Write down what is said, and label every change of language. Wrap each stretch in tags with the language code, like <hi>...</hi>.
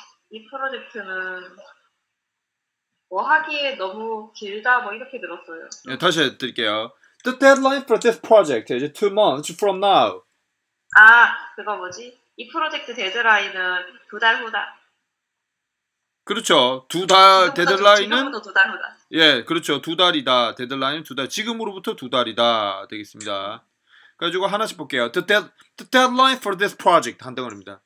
<ko>이 프로젝트는 뭐 하기에 너무 길다 뭐 이렇게 들었어요. 예, 다시 드릴게요.</ko> <en>The deadline for this project is 2 months from now.</en> <ko>아, 그거 뭐지? 이 프로젝트 데드라인은 2달 후다. 그렇죠. 두 달 데드라인은 지금부터 두 달 후다. 예, 그렇죠. 두 달이다. 데드라인은 두 달. 지금으로부터 두 달이다 되겠습니다. 가지고 하나씩 볼게요.</ko> <en>The deadline for this project</en> <ko>한 덩어리입니다.</ko>